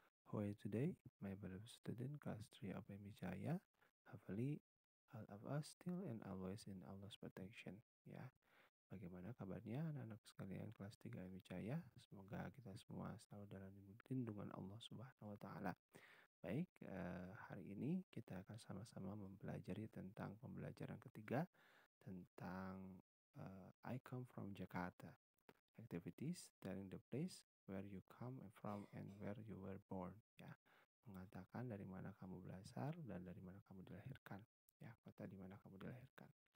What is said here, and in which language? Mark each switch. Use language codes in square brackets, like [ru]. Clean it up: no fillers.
[en] How are you today, my beloved student, class 3 of MIJAYA? Hopefully, all of us still and always in Allah's protection. [id] Ya, bagaimana kabarnya anak-anak sekalian kelas 3 MIJAYA? Semoga kita semua selalu dalam lindungan Allah Subhanahu Wa Taala. Baik, hari ini kita akan sama-sama mempelajari tentang pembelajaran ketiga tentang [en] I come from Jakarta. Activities telling the place where you come from and where you were born. [id] Ya, mengatakan dari mana kamu berasal dan dari mana kamu dilahirkan. Ya, kota di mana kamu dilahirkan.